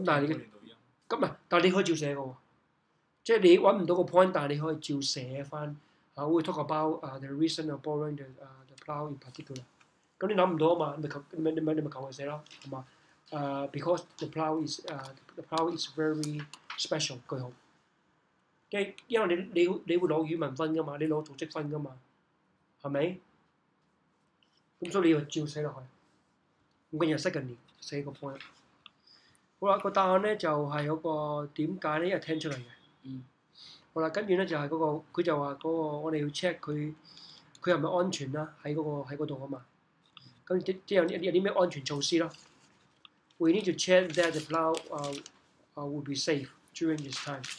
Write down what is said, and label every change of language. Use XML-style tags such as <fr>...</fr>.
<yue>咁但係你，咁唔係，但係你可以照寫嘅喎。即係你揾唔到個 point， 但係你可以照寫翻。啊，會</yue> <en>talk about the reason of borrowing the plough in particular。</en> <yue>咁你諗唔到啊嘛，你咪求佢寫咯，係嘛？</yue> <en>because the plough is very special</en> <yue>句號，即係因為你會攞語文分噶嘛，你攞組織分噶嘛，係咪？咁所以你要照寫落去。咁今日</yue> <en>secondly</en> <yue>寫個 point。好啦，個答案咧就係嗰個點解咧，因為聽出嚟嘅。嗯。好啦，跟住咧就係嗰個，佢就話嗰個我哋要 check 佢係咪安全啦，喺嗰度啊嘛。咁即有啲咩安全措施咯</yue> <en>？We need to check that the plough will be safe during this time。</en>